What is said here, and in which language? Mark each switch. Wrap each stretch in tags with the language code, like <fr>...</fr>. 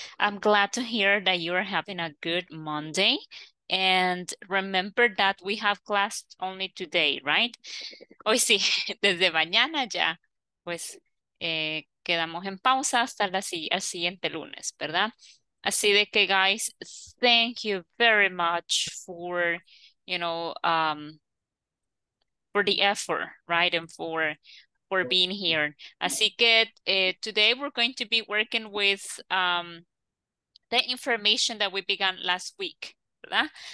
<en>I'm glad to hear that you're having a good Monday. And remember that we have class only today, right?</en> <es>Hoy sí, desde mañana ya, pues. Quedamos en pausa hasta el siguiente lunes, ¿verdad? Así de que,</es> <en>guys, thank you very much for, you know, for the effort, right? And for being here.</en> <es>Así que,</es> <en>today we're going to be working with the information that we began last week,</en> <es>¿verdad?</es>